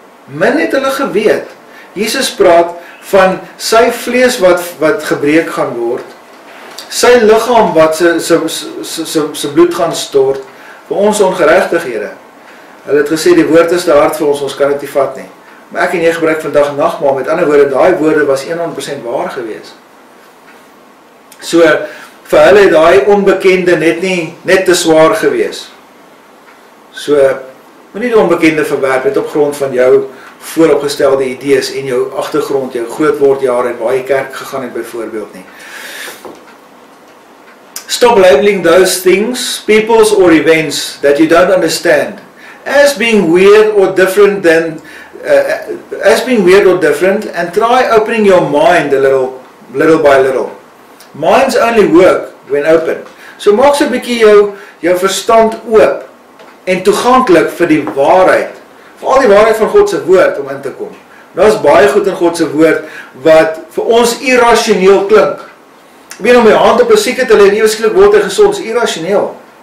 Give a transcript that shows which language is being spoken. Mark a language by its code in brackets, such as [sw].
[af] Min het hulle geweet, Jesus praat van sy vlees wat gebreek gaan word, sy lichaam wat sy bloed gaan stort, vir ons ongeregtighede. Hulle het gesê, die woord is te hard vir ons, ons kan dit nie vat nie. Maar ek en jy gebruik vandag nagmaal, met ander woorde, daai woorde was 100% waar gewees. So, vir hulle het daai onbekende net te swaar gewees. So, moet nie die onbekende verwerp, net op grond van jou vooropgestelde idees en jou achtergrond, jou grootwordjare en waar jy kerk gegaan het byvoorbeeld nie. [en] Stop labeling those things, peoples or events that you don't understand as being weird or different and try opening your mind a little by little. Minds only work when open. [af] So maak so 'n bietjie jou verstand oop en toeganklik vir die waarheid, vir al die waarheid van God se woord om in te kom. Daar is baie goed in God se woord wat vir ons irrasioneel klink. Ek weet om my hand op 'n sieke te lê en ewesklik word hy gesond, is irrasioneel.